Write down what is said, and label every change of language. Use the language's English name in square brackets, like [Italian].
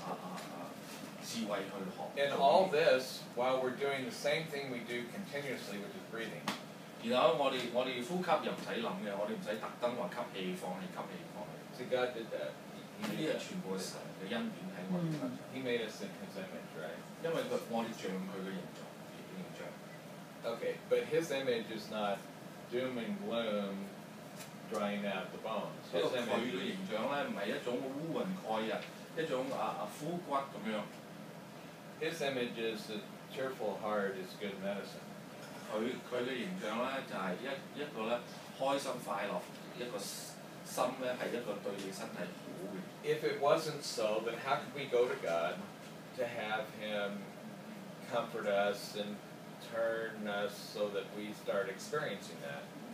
[Cantonese] 我們只知道呢,我們又懂得行,又懂得動手,一邊走一邊講話,已經是不是一個特別的一種智慧去學。 [English] And all this, while we're doing the same thing we do continuously, which is breathing. [Cantonese] 然後我們呼吸又不用想的,我們不用特意說吸氣放氣,吸氣放氣。 [English] See, God did that. He made us in His image, right? [Cantonese] 因為我們像祂的形象。 [English] Okay, but His image is not doom and gloom drying out the bones. His image [Cantonese] 祂的形象不是一種烏雲蓋日,一種枯骨。 [English] His image is that cheerful heart is good medicine. [Cantonese] 他的形象呢,就是一個開心快樂,一個心是一個對身體好的。 [English] If it wasn't so, then how could we go to God to have Him comfort us and turn us so that we start experiencing that?